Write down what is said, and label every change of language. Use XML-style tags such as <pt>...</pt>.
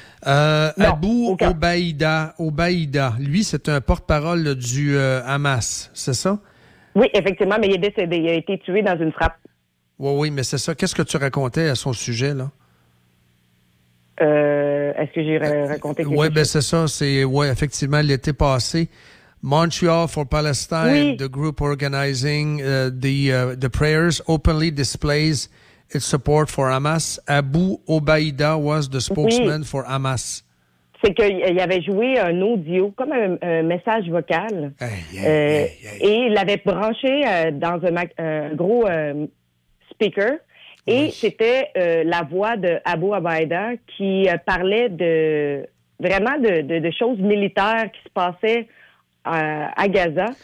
<fr>Abou Obaïda, lui, c'est un porte-parole du Hamas, c'est ça? Oui, effectivement, mais il est décédé, il a été tué dans une frappe. Oui, mais c'est ça. Qu'est-ce que tu racontais à son sujet, là? Est-ce que j'ai raconté quelque chose? Oui, c'est ça. C'est ouais, effectivement, l'été passé, Montreal for Palestine, oui.</fr> <en>The group organizing the prayers openly displays its support for Hamas. Abou Obaïda was the spokesman for Hamas.</en> <fr>C'est qu'il avait joué un audio, comme un message vocal. Et il l'avait branché dans un gros speaker. Et oui. C'était la voix de Abou Obaïda qui parlait de choses militaires qui se passaient à Gaza.</fr>